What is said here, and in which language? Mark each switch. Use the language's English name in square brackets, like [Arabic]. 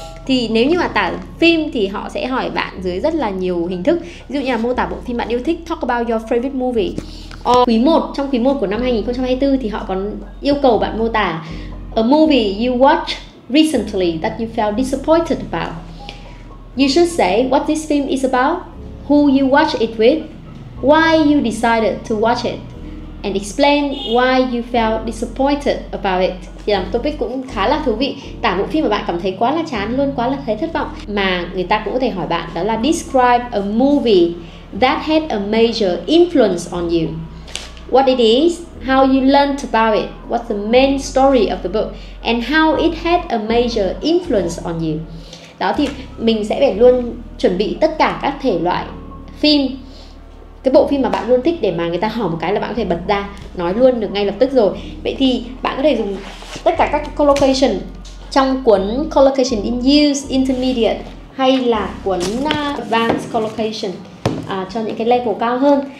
[Vietnamese] Thì nếu như mà tả phim thì họ sẽ hỏi bạn dưới rất là nhiều hình thức. Ví dụ như là mô tả bộ phim bạn yêu thích, [English] talk about your favorite movie. [Vietnamese] Quý 1, trong quý 1 của năm 2024 thì họ còn yêu cầu bạn mô tả [English] a movie you watched recently that you felt disappointed about. You should say what this film is about, who you watched it with, why you decided to watch it, and explain why you felt disappointed about it. [Vietnamese] Thì là một topic cũng khá là thú vị. Tả bộ phim mà bạn cảm thấy quá là chán luôn, quá là thấy thất vọng, mà người ta cũng có thể hỏi bạn đó là [English] describe a movie that had a major influence on you. What it is, how you learned about it, what's the main story of the book, and how it had a major influence on you. [Vietnamese] Đó thì mình sẽ phải luôn chuẩn bị tất cả các thể loại phim, cái bộ phim mà bạn luôn thích, để mà người ta hỏi một cái là bạn có thể bật ra nói luôn được ngay lập tức rồi. Vậy thì bạn có thể dùng tất cả các collocation trong cuốn Collocation in Use Intermediate hay là cuốn Advanced Collocation cho những cái level cao hơn.